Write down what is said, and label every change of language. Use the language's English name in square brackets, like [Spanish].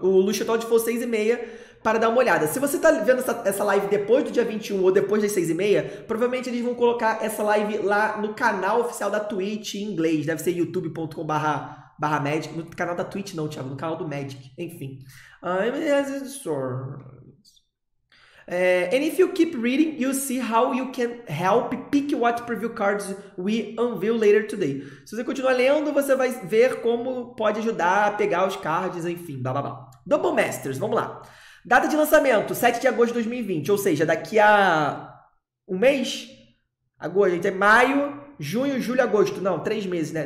[Portuguese] O Lucio Todd foi 6h30 para dar uma olhada. Se você tá vendo essa live depois do dia 21 ou depois das 6h30, provavelmente eles vão colocar essa live lá no canal oficial da Twitch em inglês. Deve ser youtube.com/Magic, no canal da Twitch não, Thiago, no canal do Magic, enfim. [English] And if you keep reading, you'll see how you can help pick what preview cards we unveil later today. [Portuguese] Se você continuar lendo, você vai ver como pode ajudar a pegar os cards, enfim, blá blá blá. Double Masters, vamos lá. Data de lançamento, 7 de agosto de 2020, ou seja, daqui a Um mês? Agosto, então é maio, junho, julho, agosto. Não, 3 meses, né?